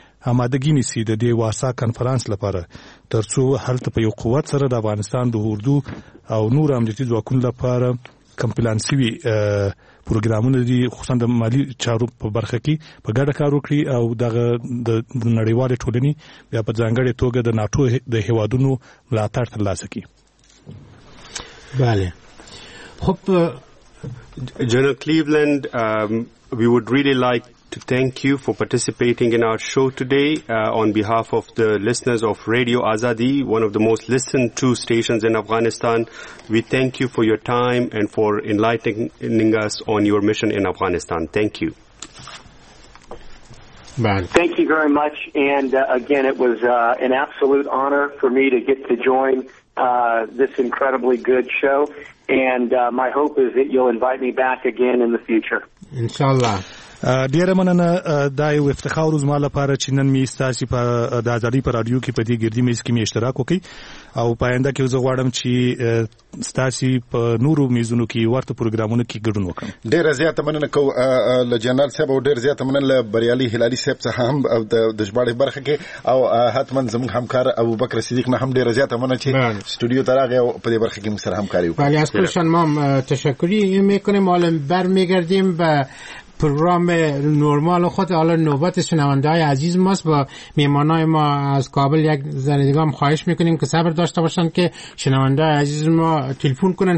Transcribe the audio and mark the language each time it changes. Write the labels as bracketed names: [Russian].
[Pashto] آمادگی نیسی د دې واسا کانفرنس لپاره تر څو هلته په یو قوت سره د افغانستان د اردو او نور امنیتي ځواکونو لپاره کوم پلان سوي پروګرامونه دي خصوصا د مالی چارو په برخه کې په ګډه کار وکړي او دغه د نړیوالې ټولنې بیا په ځانګړې توګه د ناټو د هیوادونو ملاتړ ترلاسه کړي. بله خب [English] General Cleveland, we would really like to thank you for participating in our show today on behalf of the listeners of Radio Azadi, one of the most listened to stations in Afghanistan. We thank you for your time and for enlightening us on your mission in Afghanistan. Thank you. Man. Thank you very much. And again, it was an absolute honor for me to get to join this incredibly good show. And my hope is that you'll invite me back again in the future. Inshallah. [Pashto] ډیره مننه، دا یو افتخار زما لپاره چې نن مې ستاسو په د ازادۍ په رادیو کې په دې ګردی میز کې مې اشتراک وکړ، او په آینده کې زه غواړم چې ستاسو په نورو میزونو کې ورته پروګرامونو کې ګډون وکړم. ډیره زیاته مننه کوم له جنرال صاحب، او ډیره زیاته مننه له بریالي هلالي صاحب څخه هم د ژباړې برخه کې، او حتمن زموږ همکار ابوبکر صدیق نه هم ډیره زیاته مننه چې سټوډیو ته راغی او په دې برخه کې سره همکاري [Persian] بله اسکل شان مام تشکر میکنم. حالا برمیگردیم به پروگرام نرمال خود. حالا نوبت شنونده های عزیز ماست. با میمان های ما از کابل یک ذره دیگه هم خواهش میکنیم که صبر داشته باشن که شنونده های عزیز ما تلفون کنن.